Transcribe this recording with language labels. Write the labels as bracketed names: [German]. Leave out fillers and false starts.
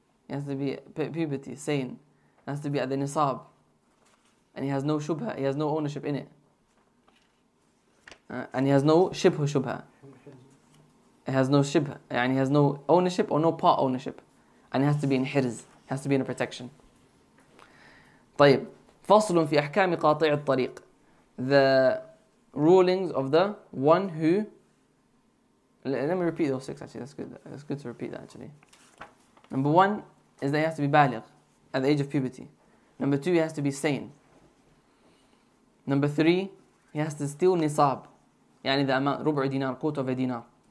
[English] He has to be puberty, sane. He has to be at the nisab. And he has no shubha, he has no ownership in it. And he has no shibha shubha. He has no shibha. And he has no ownership or no part ownership. And he has to be in hirz. He has to be in a protection. [Arabic] طيب. فصل في أحكام قاطع الطريق. [English] The rulings of the one who... Let me repeat those six, actually. That's good to repeat that, actually. Number one is that he has to be baligh at the age of puberty. Number two, he has to be sane. Number three, he has to steal nisab, yani the amount, rub' dinar, quarter of a dinar.